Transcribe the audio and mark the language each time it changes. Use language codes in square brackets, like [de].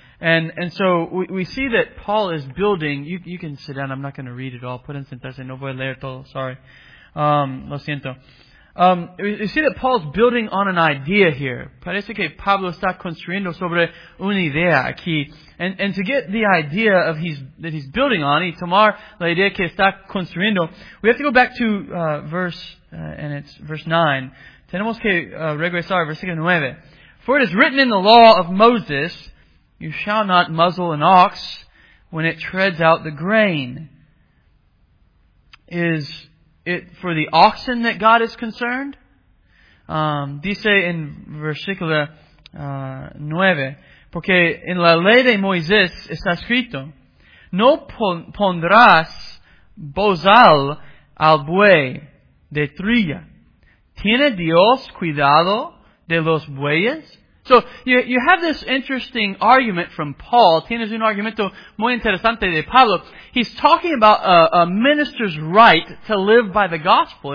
[en] And so we see that Paul is building. You can sit down. I'm not going to read it all. [es] Put in sentarse. No voy a leer todo. [en] Sorry. [es] Lo siento. [en] We see that Paul's building on an idea here. [es] Parece que Pablo está construyendo sobre una idea aquí. [en] And to get the idea of that he's building on, [es] y tomar la idea que está construyendo, [en] we have to go back to verse 9. [es] Tenemos que regresar a versículo 9. [en] For it is written in the law of Moses, you shall not muzzle an ox when it treads out the grain. Is it for the oxen that God is concerned? [es] Dice en versículo 9, porque en la ley de Moisés está escrito, no pondrás bozal al buey de trilla. ¿Tiene Dios cuidado de los bueyes? [en] So you have this interesting argument from Paul. [es] Tienes un argumento muy interesante de Pablo. [en] He's talking about a minister's right to live by the gospel.